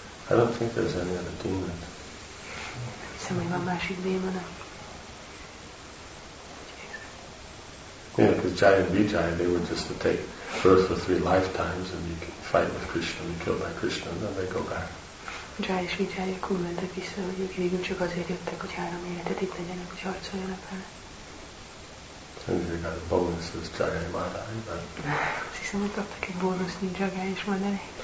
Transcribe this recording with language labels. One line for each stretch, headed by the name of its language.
English: I don't think there's any other demon. Yeah, because Jaya and Vijaya, they were just to take birth for three lifetimes and you can fight with Krishna and be killed by Krishna and then they go back.
Hungarian: Jaya és Vijaya akkor mentek vissza, hogy ők végül csak azért jöttek, hogy három életet itt legyenek, hogy harcoljanak vele.
English: So you got a bonus with Jaya and Madai, but...
Hungarian: Azt hiszem, hogy kaptak egy bónusz, mint Jaya és Madai.